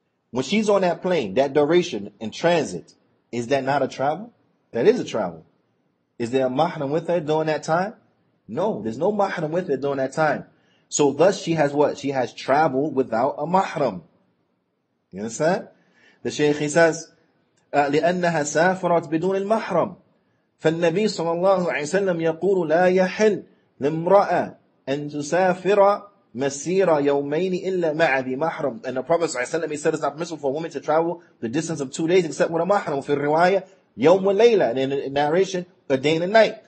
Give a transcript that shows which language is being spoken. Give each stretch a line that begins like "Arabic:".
English: When she's on that plane, that duration in transit, is that not a travel? That is a travel. Is there a mahram with her during that time? No, there's no mahram with her during that time. So thus she has what? She has traveled without a mahram. You understand? The Shaykh, he says,
Arabic: لِأَنَّهَا سَافَرَتْ بِدُونِ الْمَحْرَمِ فَالنَّبِي صَلَى اللَّهُ عَلَيْهِ وَسَلَّمْ يَقُولُ لَا يَحِلْ لِمْرَأَ أَنْ تُسَافِرَ مسيرة يومين إلا مع ذي محرم.
English: And the Prophet ﷺ said, it's not permissible for a woman to travel the distance of 2 days except with a mahram.
Arabic: وفي الرواية يوم وليلة,
English: and in the narration, a day and a night.